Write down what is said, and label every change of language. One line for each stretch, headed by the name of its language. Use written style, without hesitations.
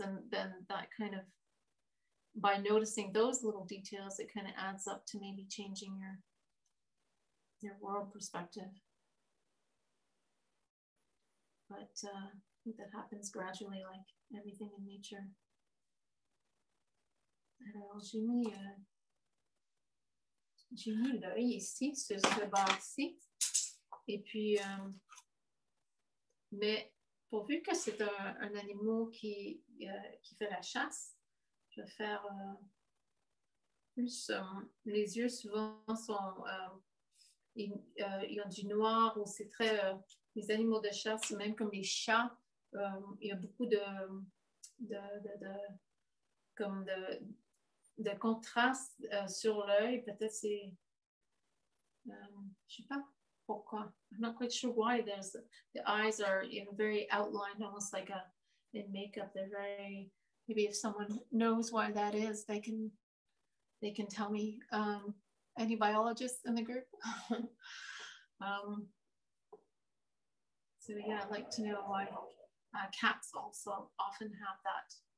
English: And then that kind of, by noticing those little details, it kind of adds up to maybe changing your world perspective. But I think that happens gradually, like everything in nature.
French: Alors, j'ai mis là, ici, ce bar-ci. Et puis, mais pourvu que c'est un animal qui fait la chasse, je vais faire plus. Les yeux souvent sont. Ils ont du noir ou c'est très. Les animaux de chasse, même comme les chats, il y a beaucoup de contraste sur l'œil. Peut-être c'est. Je sais pas pourquoi.
English: I'm not quite sure why. The eyes are, you know, very outlined, almost like in makeup. They're very. Maybe if someone knows why that is, they can tell me. Any biologists in the group? So yeah, I'd like to know why cats also often have that.